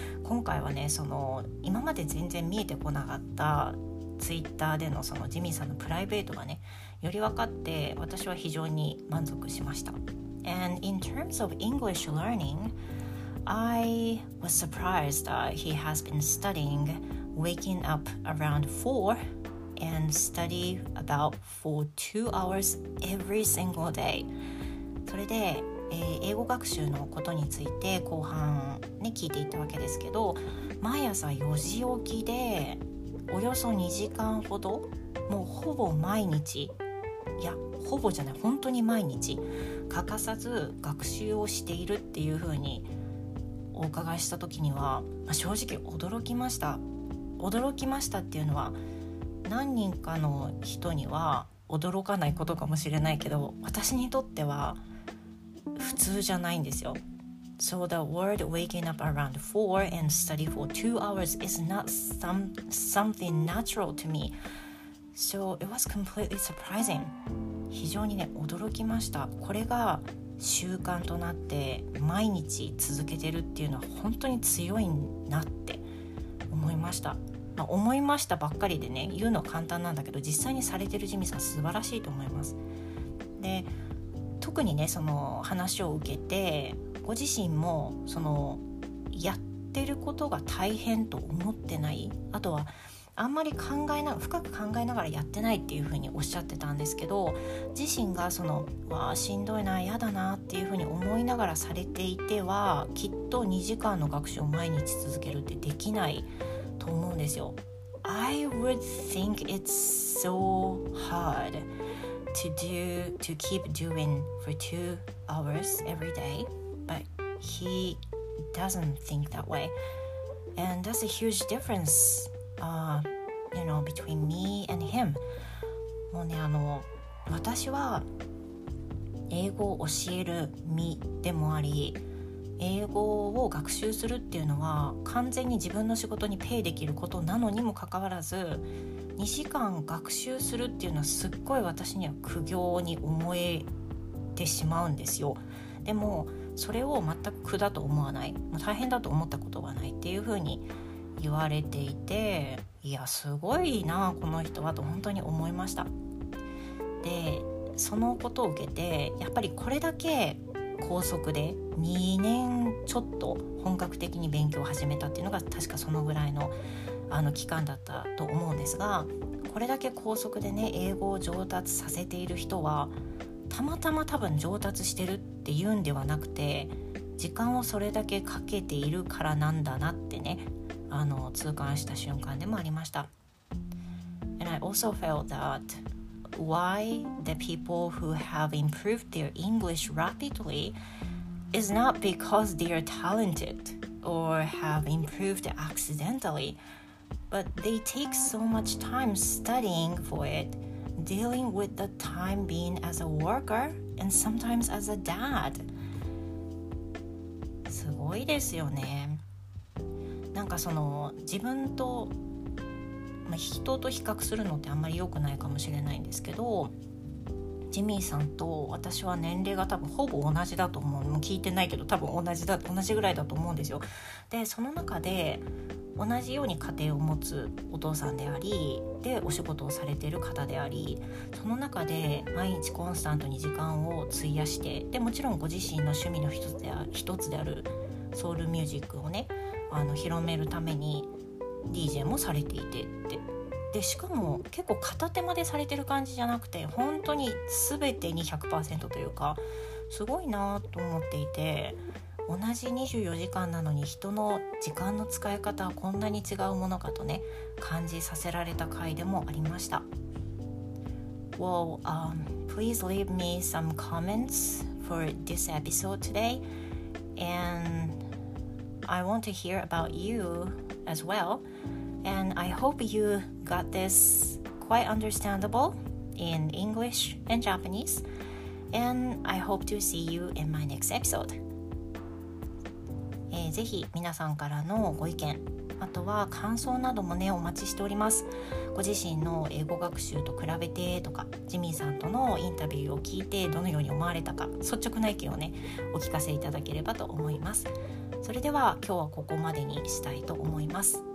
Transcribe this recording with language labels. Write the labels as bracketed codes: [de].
[ja] 今回はね、その今まで全然見えてこなかったツイッターでのそのジミーさんのプライベートがね、より分かって私は非常に満足しました。 [en] And in terms of English learning, I was surprised that he has been studying waking up around 4 and study about for 2 hours every single day. [ja] それで、英語学習のことについて後半ね聞いていったわけですけど、毎朝4時起きでおよそ2時間ほど、もうほぼ毎日、いやほぼじゃない、本当に毎日欠かさず学習をしているっていう風にお伺いした時には、まあ、正直驚きました。驚きましたっていうのは、何人かの人には驚かないことかもしれないけど、私にとっては普通じゃないんですよ。 [en] So the word waking up around 4 and study for 2 hours is not something natural to me. So it was completely surprising. [ja] 非常にね驚きました。これが習慣となって毎日続けてるっていうのは本当に強いなって思いました、まあ、思いましたばっかりでね言うのは簡単なんだけど、実際にされてるジミさん素晴らしいと思います。で、特にねその話を受けてご自身もそのやってることが大変と思ってない、あとはあんまり考えな深く考えながらやってないっていう風におっしゃってたんですけど、自身がそのわーしんどいな、やだなっていう風に思いながらされていては、きっと2時間の学習を毎日続けるってできないと思うんですよ。 [en] I would think it's so hard to keep doing for 2 hours every day, but he doesn't think that way, and that's a huge differenceyou know, between me and him. [ja] もうね、私は英語を教える身でもあり、英語を学習するっていうのは完全に自分の仕事にペイできることなのにもかかわらず、2時間学習するっていうのはすっごい私には苦行に思えてしまうんですよ。でもそれを全く苦だと思わない、もう大変だと思ったことはないっていう風に言われていて、いやすごいなこの人はと本当に思いました。で、そのことを受けてやっぱりこれだけ高速で2年ちょっと本格的に勉強を始めたっていうのが確かそのぐらいの期間だったと思うんですが、これだけ高速でね英語を上達させている人はたまたま多分上達してるって言うんではなくて、時間をそれだけかけているからなんだなってね痛感した瞬間でもありました。 [en] And I also felt that why the people who have improved their English rapidly is not because they are talented or have improved accidentally, but they take so much time studying for it, dealing with the time being as a worker and sometimes as a dad. [ja] すごいですよね。なんかその自分と、まあ、人と比較するのってあんまり良くないかもしれないんですけど、ジミーさんと私は年齢が多分ほぼ同じだと思う、もう聞いてないけど多分同じぐらいだと思うんですよ。でその中で同じように家庭を持つお父さんであり、でお仕事をされている方であり、その中で毎日コンスタントに時間を費やして、でもちろんご自身の趣味の一つであるソウルミュージックをね広めるために DJ もされていてって、でしかも結構片手までされてる感じじゃなくて、本当に全てに 100% というか、すごいなと思っていて、同じ24時間なのに人の時間の使い方はこんなに違うものかとね感じさせられた回でもありました。 [en] Well, please leave me some comments for this episode today, andI want to hear about you as well, and I hope you got this quite understandable in English and Japanese, and I hope to see you in my next episode. [ja] ぜひ皆さんからのご意見、あとは感想などもねお待ちしております。ご自身の英語学習と比べてとか、ジミーさんとのインタビューを聞いてどのように思われたか、率直な意見をねお聞かせいただければと思います。それでは今日はここまでにしたいと思います。